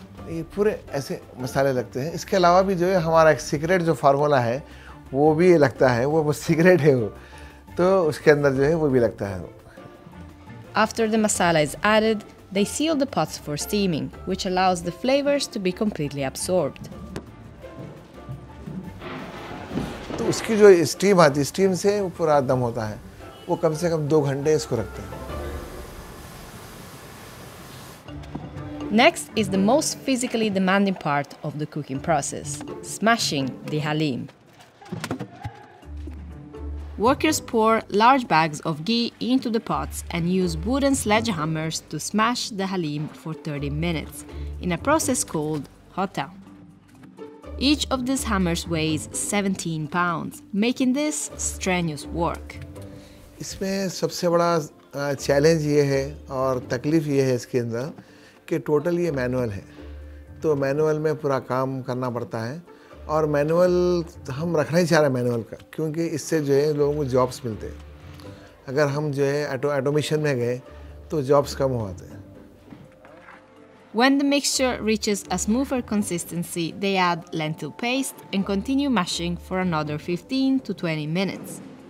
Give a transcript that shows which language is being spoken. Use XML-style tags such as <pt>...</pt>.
<hi>ये पूरे ऐसे मसाले लगते हैं। इसके अलावा भी जो है हमारा एक सीक्रेट जो फार्मूला है, वो भी ये लगता है, वो सीक्रेट है वो। तो उसके अंदर जो है वो भी लगता है।</hi> <en>After the masala is added, they seal the pots for steaming, which allows the flavors to be completely absorbed.</en> <hi>तो उसकी जो स्टीम आती है, स्टीम से पूरा दम होता है, वो कम से कम 2 घंटे इसको रखते हैं।</hi> <en>Next is the most physically demanding part of the cooking process, smashing the haleem. Workers pour large bags of ghee into the pots and use wooden sledgehammers to smash the haleem for 30 minutes in a process called hota. Each of these hammers weighs 17 pounds, making this strenuous work.</en> <hi>इसमें सबसे बड़ा challenge ये है और तकलीफ ये है इसके अंदर कि टोटल ये मैनुअल है तो मैनुअल में पूरा काम करना पड़ता है और मैनुअल हम रखना ही चाह रहे हैं मैनुअल का क्योंकि इससे जो है लोगों को जॉब्स मिलते हैं अगर हम जो है ऑटोमेशन में गए तो जॉब्स कम हो जाते हैं</hi> <en>When the mixture reaches a smoother consistency, they add lentil paste and continue mashing for another 15 to 20 minutes.</en>